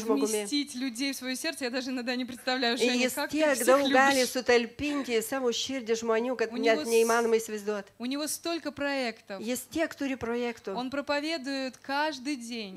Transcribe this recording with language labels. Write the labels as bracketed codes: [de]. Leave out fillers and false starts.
[ru] Он столько может вместить людей в свое сердце, я даже иногда не представляю, что они как-то всех любят. [lt] Jis tiek daug gali sutalpinti į savo širdį žmonių, kad net neįmanoma įsivaizduoti. [ru] У него столько проектов. [lt] Jis tiek turi projektų. [ru] Он проповедует каждый день.